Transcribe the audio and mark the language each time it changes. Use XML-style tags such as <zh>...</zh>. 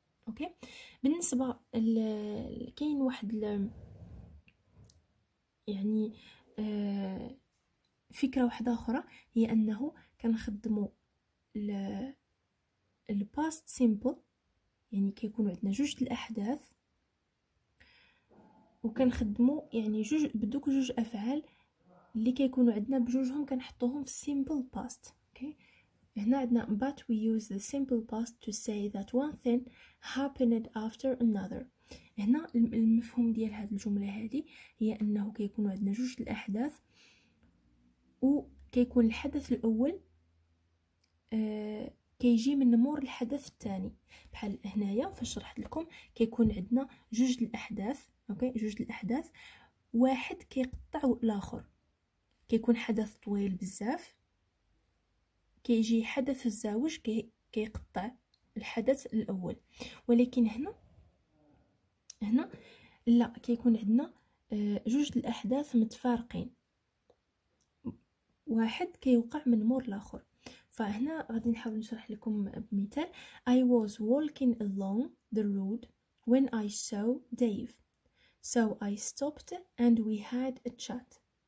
<ar>أوكي، بالنسبة كاين واحد يعني فكرة واحدة أخرى، هي أنه كنخدمو ال past simple، يعني كيكون عندنا جوج الأحداث وكنخدمو يعني جوج بدوك جوج أفعال اللي كيكونوا عندنا بجوجهم كنحطوهم في simple past.</ar> <en>okay.</en> <ar>هنا عندنا</ar> <en>but we use the simple past to say that one thing happened after another.</en> <ar>هنا المفهوم ديال هاد الجملة هادي هي أنه كيكون عندنا جوج الأحداث وكيكون الحدث الأول كيجي من مور الحدث الثاني. بحال هنايا فشرحت لكم كيكون عندنا جوج الأحداث، أوكي جوج الأحداث، واحد كيقطع الآخر، كيكون حدث طويل بزاف، كيجي حدث الزواج كيقطع الحدث الأول. ولكن هنا لا، كيكون عندنا جوج الاحداث متفارقين، واحد كيوقع من مور الاخر. فهنا غادي نحاول نشرح لكم بمثال.</ar> <en>I was walking along the road when I saw Dave, so I stopped and we had a chat.</en>